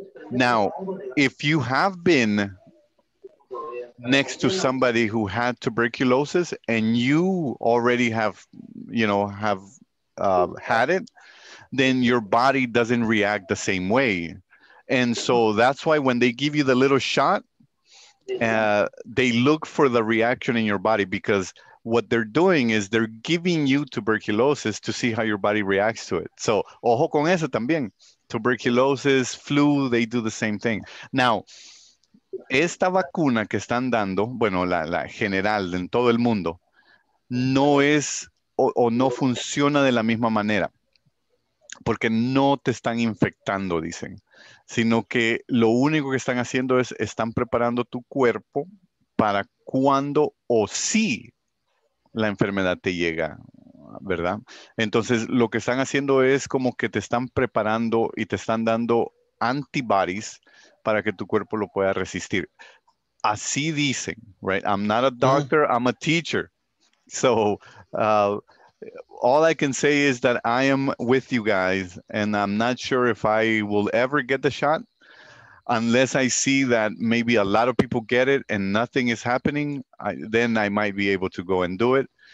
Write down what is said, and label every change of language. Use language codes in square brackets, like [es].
[en] Now, if you have been next to somebody who had tuberculosis and you already have had it, then your body doesn't react the same way. And so that's why when they give you the little shot, they look for the reaction in your body, because what they're doing is they're giving you tuberculosis to see how your body reacts to it. So [es] ojo con eso también. [en] Tuberculosis, flu, they do the same thing. [es] Now, esta vacuna que están dando, bueno, la general en todo el mundo, no es o no funciona de la misma manera, porque no te están infectando, dicen, sino que lo único que están haciendo es están preparando tu cuerpo para cuando o si la enfermedad te llega, ¿verdad? Entonces, lo que están haciendo es como que te están preparando y te están dando antibodies para que tu cuerpo lo pueda resistir. Así dicen, [en] right? I'm not a doctor, I'm a teacher. So, all I can say is that I am with you guys, and I'm not sure if I will ever get the shot. Unless I see that maybe a lot of people get it and nothing is happening, then I might be able to go and do it.